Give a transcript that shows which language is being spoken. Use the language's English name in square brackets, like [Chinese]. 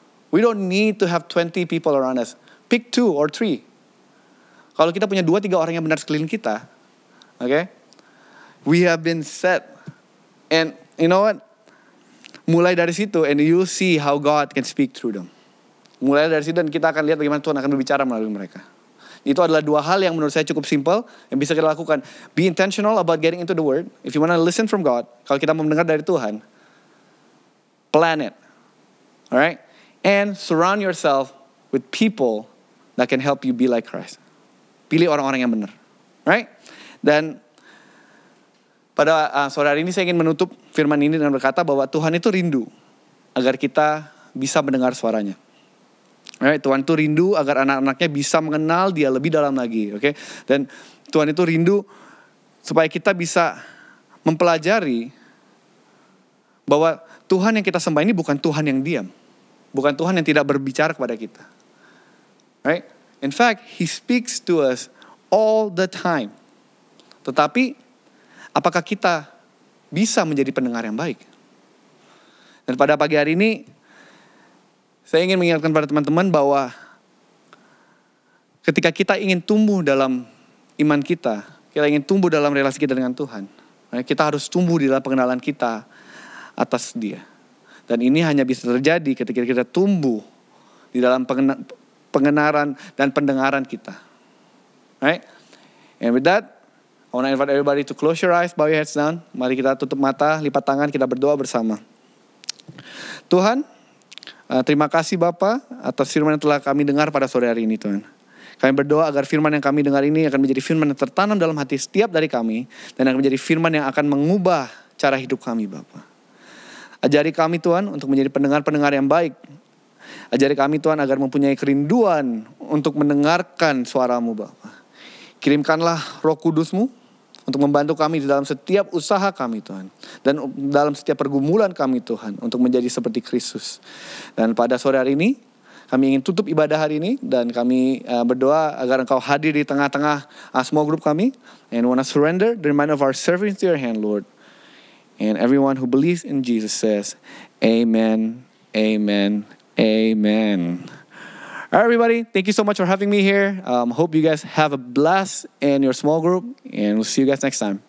[English] We don't need to have 20 people around us. Pick 2 or 3. [Indonesian] Kalau kita punya 2-3 orang yang benar sekeliling kita, okay, [English] we have been set. And you know what? [Indonesian] Mulai dari situ [English] and you see how God can speak through them. [Indonesian] Mulai dari situ dan kita akan lihat bagaimana Tuhan akan berbicara melalui mereka. Itu adalah dua hal yang menurut saya cukup simple yang bisa kita lakukan. [English] Be intentional about getting into the word. If you want to listen from God, [Indonesian] kalau kita mau mendengar dari Tuhan, [English] plan it. Alright? And surround yourself with people that can help you be like Christ. [Indonesian] Pilih orang-orang yang benar. Right? Dan pada sore hari ini saya ingin menutup firman ini dengan berkata bahwa Tuhan itu rindu agar kita bisa mendengar suaranya. Right? Tuhan itu rindu agar anak-anaknya bisa mengenal dia lebih dalam lagi. Okay? Dan Tuhan itu rindu supaya kita bisa mempelajari bahwa Tuhan yang kita sembah ini bukan Tuhan yang diam. Bukan Tuhan yang tidak berbicara kepada kita. Right? [English] In fact, he speaks to us all the time. [Indonesian] Tetapi, apakah kita bisa menjadi pendengar yang baik? Dan pada pagi hari ini, saya ingin mengingatkan pada teman-teman bahwa ketika kita ingin tumbuh dalam iman kita, kita ingin tumbuh dalam relasi kita dengan Tuhan, kita harus tumbuh di dalam pengenalan kita atas dia. Dan ini hanya bisa terjadi ketika kita tumbuh di dalam pengenaran dan pendengaran kita. [English] Right? And with that, I want to invite everybody to close your eyes, bow your heads down. [Indonesian] Mari kita tutup mata, lipat tangan, kita berdoa bersama. Tuhan, terima kasih Bapa atas firman yang telah kami dengar pada sore hari ini, Tuhan. Kami berdoa agar firman yang kami dengar ini akan menjadi firman yang tertanam dalam hati setiap dari kami dan akan menjadi firman yang akan mengubah cara hidup kami, Bapa. Ajari kami, Tuhan, untuk menjadi pendengar-pendengar yang baik. Ajari kami, Tuhan, agar mempunyai kerinduan untuk mendengarkan suara-Mu, Bapa. Kirimkanlah Roh Kudus-Mu untuk membantu kami di dalam setiap usaha kami, Tuhan. Dan dalam setiap pergumulan kami, Tuhan, untuk menjadi seperti Kristus. Dan pada sore hari ini, kami ingin tutup ibadah hari ini. Dan kami berdoa agar Engkau hadir di tengah-tengah small group kami. [English] And wanna surrender the remainder of our service to your hand, Lord. And everyone who believes in Jesus says, amen, amen, amen. All right, everybody, thank you so much for having me here. Hope you guys have a blast in your small group, and we'll see you guys next time.